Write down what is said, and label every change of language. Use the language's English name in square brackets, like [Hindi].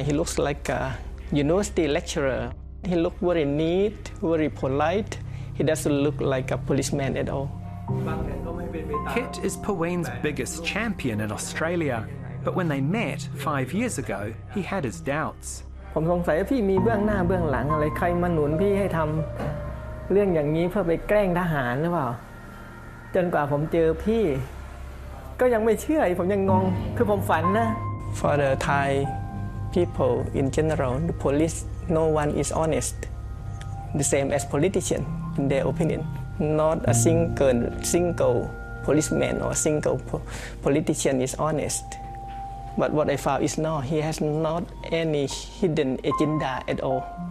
[English] He looks like a university lecturer. He looked very neat, very polite. He doesn't look like a policeman at all. Kit is Puyin's biggest champion in Australia, but when they met 5 years ago, he had his doubts. [Thai] ผมสงสัยว่าพี่มีเบื้องหน้าเบื้องหลังอะไรใครมาหนุนพี่ให้ทำเรื่องอย่างนี้เพื่อไปแกล้งทหารหรือเปล่าจนกว่าผมเจอพี่ก็ยังไม่เชื่อผมยังงงคือผมฝันนะ [English] For the Thai people in general, the police, no one is honest, the same as politician. In their opinion, not a single policeman or a single politician is honest. But what I found is not. He has not any hidden agenda at all.